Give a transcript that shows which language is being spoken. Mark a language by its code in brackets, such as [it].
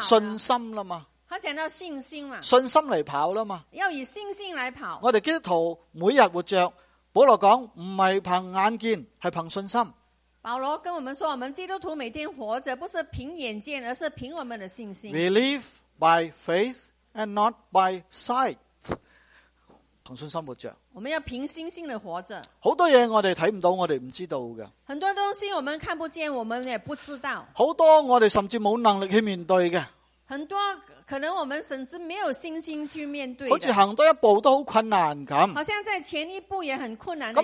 [zh] 信心了吗他讲到信心了信心来跑了吗要以信心来跑我们基督徒每日活着保罗讲不是凭眼见是凭信心保罗跟我们说，我们基督徒每天活着不是凭眼见，而是凭我们的信心。 [en] We live by faith and not by sight. [zh] 凭信心活着。我们要凭信心的活着。好多东西我们看不到，我们不知道的。很多东西我们看不见，我们也不知道。好多我们甚至没有能力去面对的。很多可能我们甚至没有信心去面对的。好像行多一步都很困难的。好像在前一步也很困难的